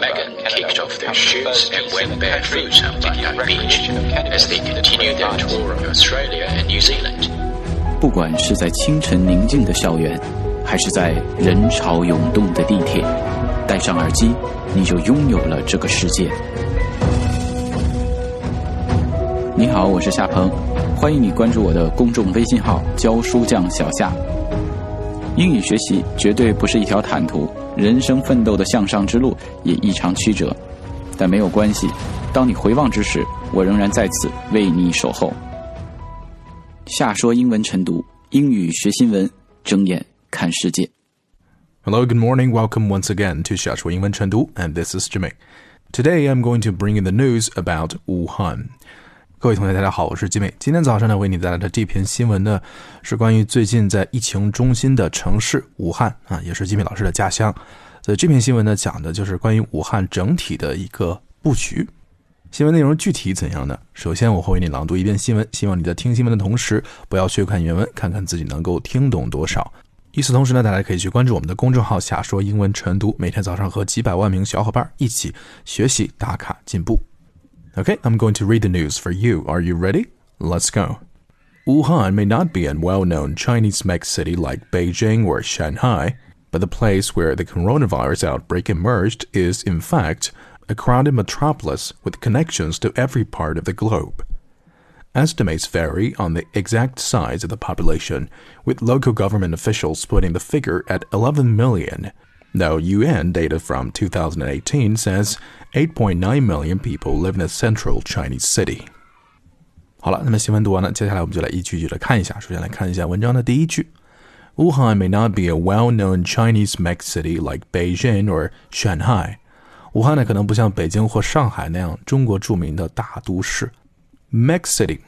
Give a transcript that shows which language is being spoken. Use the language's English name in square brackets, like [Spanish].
[English] Megan kicked off their shoes and went barefoot on Bondi Beach as they continued their tour of Australia and New Zealand. [Chinese] 不管是在清晨宁静的校园，还是在人潮涌动的地铁，戴上耳机，你就拥有了这个世界。你好，我是夏鹏，欢迎你关注我的公众微信号教书匠小夏。英语学习绝对不是一条坦途，人生奋斗的向上之路也异常曲折，但没有关系，当你回望之时，我仍然在此为你守候。夏说英文晨读，英语学新闻，睁眼看世界。 [English] Hello, good morning, welcome once again to 夏说英文晨读 and this is Jimmy. Today I'm going to bring in the news about Wuhan. [Chinese] 各位同学大家好，我是吉美。今天早上呢，为你带来的这篇新闻呢，是关于最近在疫情中心的城市武汉啊，也是吉美老师的家乡。所以这篇新闻呢，讲的就是关于武汉整体的一个布局。新闻内容具体怎样呢？首先我会为你朗读一遍新闻，希望你在听新闻的同时不要去看原文，看看自己能够听懂多少。与此同时呢，大家可以去关注我们的公众号夏说英文晨读，每天早上和几百万名小伙伴一起学习打卡进步。 [English] Okay, I'm going to read the news for you. Are you ready? Let's go. Wuhan may not be a well-known Chinese mega city like Beijing or Shanghai, but the place where the coronavirus outbreak emerged is, in fact, a crowded metropolis with connections to every part of the globe. Estimates vary on the exact size of the population, with local government officials putting the figure at 11 million,Though UN data from 2018 says 8.9 million people live in a central Chinese city. [Chinese] 好了，那么新闻读完了，接下来我们就来一句一句的看一下。首先来看一下文章的第一句。 [English] Wuhan may not be a well-known Chinese mech city like Beijing or Shanghai. [Chinese] 武汉呢可能不像北京或上海那样中国著名的大都市。 [English] Mech city